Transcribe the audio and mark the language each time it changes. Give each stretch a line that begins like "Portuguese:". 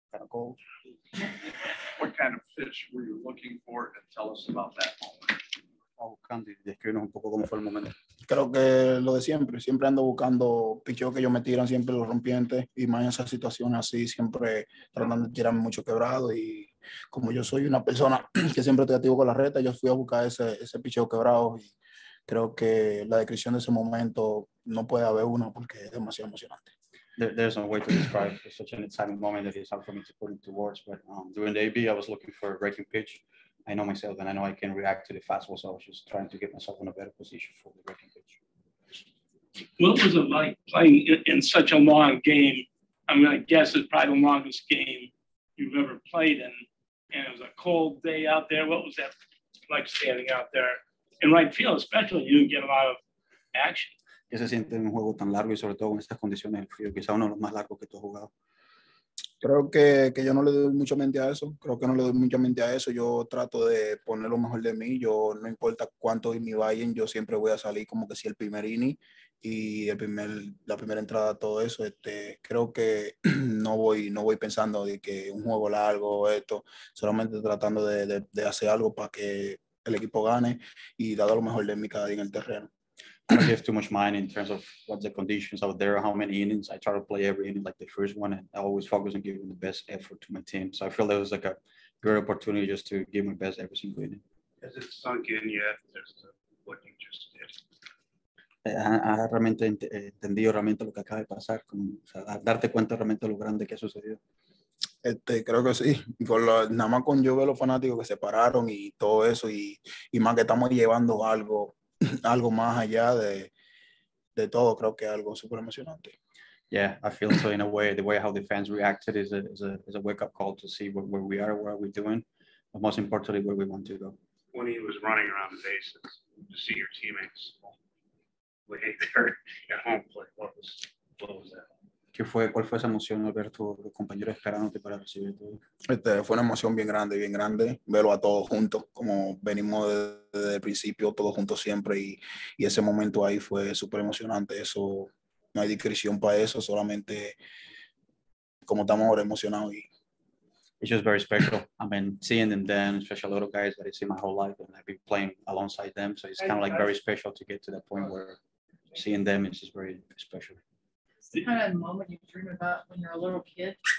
English: What kind of fish were you looking for? And tell us about that moment.
Spanish: Describirnos un poco cómo fue el momento. Creo que lo de siempre, siempre ando buscando picheos que ellos me tiran, siempre los rompientes, y más en esas situaciones así, siempre tratando de tirarme mucho quebrado. Y como yo soy una persona que siempre estoy activo con la reta, yo fui a buscar ese picheo quebrado. Y creo que la descripción de ese momento no puede haber uno porque es demasiado emocionante.
English: There's no way to describe such an exciting moment that it's hard for me to put into words, but during the AB, I was looking for a breaking pitch. I know myself, and I know I can react to the fastball, so I was just trying to get myself in a better position for the breaking pitch. What was it like playing in such a long game? I mean, I guess it's probably the longest game you've ever played in, and it was a cold day out there. What was that like standing out there in right field, especially? You didn't get a lot of action.
Spanish: ¿Qué se siente en un juego tan largo y sobre todo en estas condiciones del frío? Quizá uno de los más largos que tú has jugado. Creo que yo no le doy mucha mente a eso. Creo que no le doy mucha mente a eso. Yo trato de poner lo mejor de mí. Yo no importa cuánto y me vayan, yo siempre voy a salir como que si el primer inning y la primera entrada, todo eso. Creo que no voy pensando de que un juego largo o esto. Solamente tratando de hacer algo para que el equipo gane y dado lo mejor de mí cada día en el terreno.
English: I don't give too much mind in terms of what the conditions out there, how many innings. I try to play every inning like the first one, and I always focus on giving the best effort to my team. So I feel that was like a great opportunity just to give my best every single inning. Has it sunk in yet, what you just did?
Spanish: Ha realmente entendido realmente lo que acaba de pasar, con, o sea, darte cuenta realmente lo grande que ha sucedido. Creo que sí, nada más con yo veo los fanáticos que se pararon y todo eso, y más que estamos llevando algo. Algo más allá de todo, creo que algo super emocionante.
English: Yeah, I feel so in a way, the way how the fans reacted is a wake-up call to see where we are, what are we doing, but most importantly, where we want to go. When he was running around the bases to see your teammates way there at home plate, what was that?
Spanish: ¿Cuál fue esa emoción al ver a tus compañeros esperándote para recibir tu fue una emoción bien grande, verlo a todos juntos, como venimos desde el principio, todos juntos siempre, y ese momento ahí fue súper emocionante, eso, no hay descripción para eso, solamente como estamos ahora emocionados.
English: It's just very special, I mean, seeing them then, especially little guys that I see my whole life, and I've been playing alongside them, so it's kind of like very special to get to that point where seeing them is just very special. Is that a moment you dream about when you're a little kid?